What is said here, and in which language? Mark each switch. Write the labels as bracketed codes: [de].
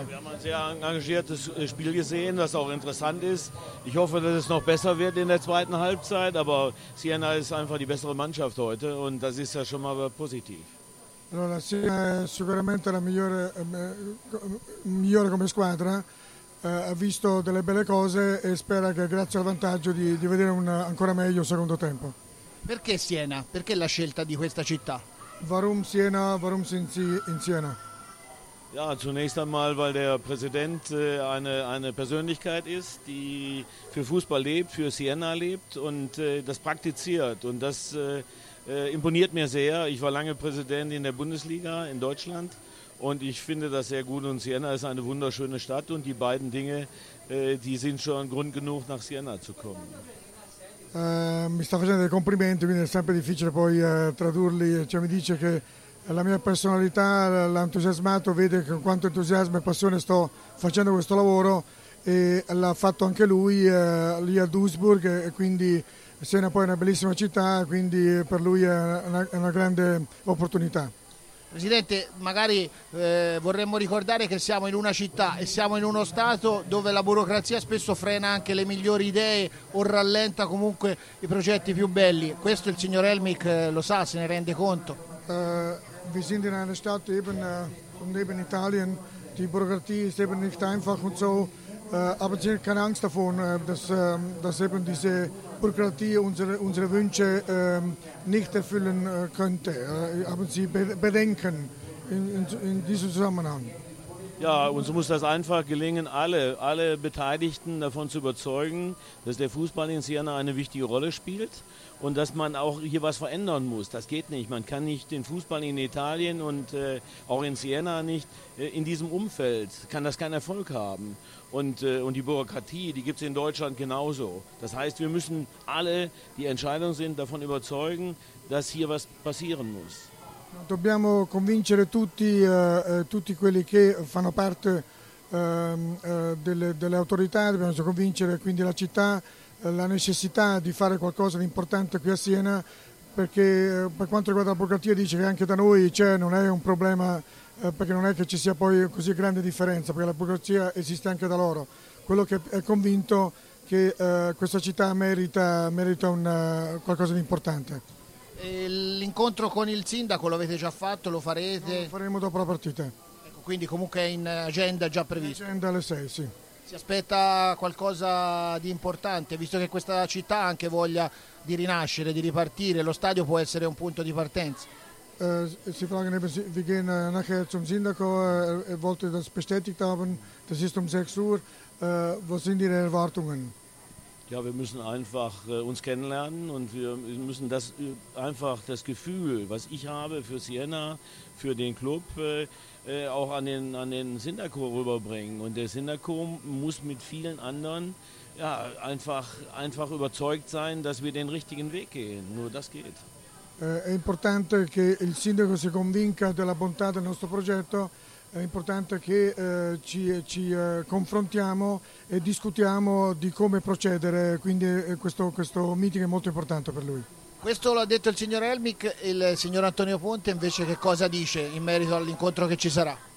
[de] Ja, wir haben ein sehr engagiertes Spiel gesehen, was auch interessant ist. Ich hoffe, dass es noch besser wird in der zweiten Halbzeit, aber Siena ist einfach die bessere Mannschaft heute und das ist ja schon mal positiv. [it] Allora, Siena è sicuramente la migliore come squadra, ha visto delle belle cose e spera che grazie al vantaggio di vedere un ancora meglio secondo tempo. Perché Siena? Perché la scelta di questa città? [de] Warum Siena? Warum sind Sie in Siena? Ja, zunächst einmal, weil der Präsident eine Persönlichkeit ist, die für Fußball lebt, für Siena lebt und das praktiziert. Und das imponiert mir sehr. Ich war lange Präsident in der Bundesliga in Deutschland und ich finde das sehr gut. Und Siena ist eine wunderschöne Stadt und die beiden Dinge, die sind schon Grund genug, nach Siena zu kommen. [it] Mi sta facendo dei complimenti, quindi è sempre difficile poi tradurli, cioè mi dice che la mia personalità l'ha entusiasmato, vede con quanto entusiasmo e passione sto facendo questo lavoro e l'ha fatto anche lui lì a Duisburg, e quindi Siena poi è una bellissima città, quindi per lui è una grande opportunità. Presidente, magari vorremmo ricordare che siamo in una città e siamo in uno stato dove la burocrazia spesso frena anche le migliori idee o rallenta comunque i progetti più belli. Questo il signor Helmic lo sa, se ne rende conto. [de] Wir sind in einer Stadt eben neben Italien, die Bürokratie ist eben nicht einfach und so, aber sie hat keine Angst davon, dass eben diese Bürokratie unsere Wünsche nicht erfüllen könnte. Haben Sie Bedenken in diesem Zusammenhang? Ja, uns muss das einfach gelingen, alle Beteiligten davon zu überzeugen, dass der Fußball in Siena eine wichtige Rolle spielt und dass man auch hier was verändern muss. Das geht nicht. Man kann nicht den Fußball in Italien und auch in Siena nicht in diesem Umfeld, kann das keinen Erfolg haben. Und die Bürokratie, die gibt es in Deutschland genauso. Das heißt, wir müssen alle, die Entscheidung sind, davon überzeugen, dass hier was passieren muss. [it] Dobbiamo convincere tutti quelli che fanno parte delle autorità, dobbiamo convincere quindi la città la necessità di fare qualcosa di importante qui a Siena, perché per quanto riguarda la burocrazia dice che anche da noi c'è, non è un problema, perché non è che ci sia poi così grande differenza, perché la burocrazia esiste anche da loro. Quello che è convinto che questa città merita qualcosa di importante. L'incontro con il sindaco l'avete già fatto, lo farete? No, lo faremo dopo la partita. Ecco, quindi comunque è in agenda già previsto. In agenda alle 6, sì. Si aspetta qualcosa di importante, visto che questa città ha anche voglia di rinascere, di ripartire, lo stadio può essere un punto di partenza. [de] Si fragen eben, wir gehen nachher zum Sindaco, er wollte das bestätigt haben, das ist 6 Uhr, was sind Ihre Erwartungen? Ja, wir müssen einfach uns kennenlernen und wir müssen das einfach das Gefühl, was ich habe für Siena, für den Club, auch an den Sindaco rüberbringen. Und der Sindaco muss mit vielen anderen ja, einfach überzeugt sein, dass wir den richtigen Weg gehen. Nur das geht. [it] È importante che il sindaco si convinca della bontà del nostro progetto. È importante che ci confrontiamo e discutiamo di come procedere, quindi questo meeting è molto importante per lui. Questo lo ha detto il signor Helmick. Il signor Antonio Ponte invece che cosa dice in merito all'incontro che ci sarà?